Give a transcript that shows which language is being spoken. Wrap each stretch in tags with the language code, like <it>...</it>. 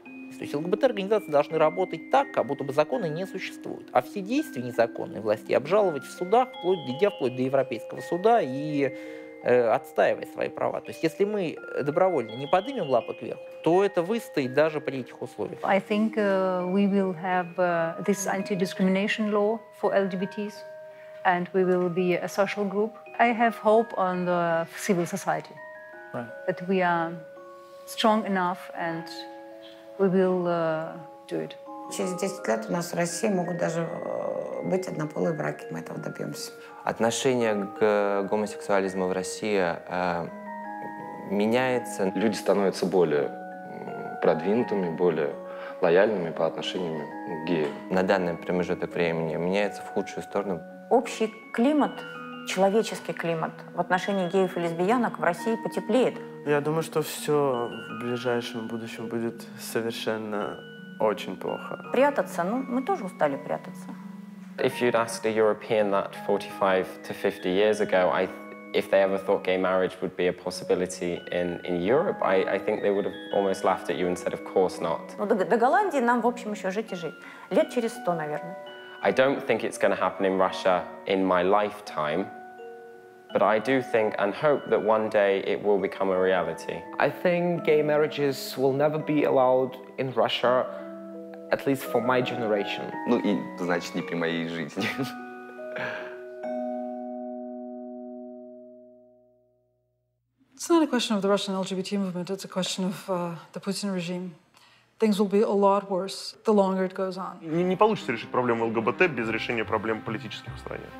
<ru>То есть ЛГБТ-организации должны работать так, как будто бы законы не существуют. А все действия незаконной власти обжаловать в судах, вплоть до Европейского суда и отстаивать свои права. То есть если мы добровольно не поднимем лапок вверх, то это выстоит даже при этих условиях.</ru> <en>I think we will have this anti-discrimination law for LGBTs, and we will be a social group. I have hope on the civil society, right, that we are strong enough and we will do it.</en> <ru>Через 10 лет у нас в России могут даже быть однополые браки, мы этого добьемся. Отношение к гомосексуализму в России меняется. Люди становятся более продвинутыми, более лояльными по отношению к геям. На данный промежуток времени меняется в худшую сторону. Общий климат, человеческий климат в отношении геев и лесбиянок в России потеплеет. Я думаю, что все в ближайшем будущем будет совершенно очень плохо. Прятаться? Ну, мы тоже устали прятаться.</ru> <en>If you'd asked a European that 45 to 50 years ago, if they ever thought gay marriage would be a possibility in Europe, I think they would have almost laughed at you and said, of course not.</en> <ru>Ну, до Голландии нам, в общем, еще жить и жить. Лет через 100, наверное.</ru> <en>I don't think it's going to happen in Russia in my lifetime, but I do think and hope that one day it will become a reality. I think gay marriages will never be allowed in Russia, at least for my generation.</en> <ru>Ну и, значит, не при моей жизни.</ru> <en>It's not a question of the Russian LGBT movement, it's a question of the Putin regime. Things will be a lot worse the longer it goes on.</en> <ru>Не получится решить проблему ЛГБТ без решения проблем политических в стране.</ru>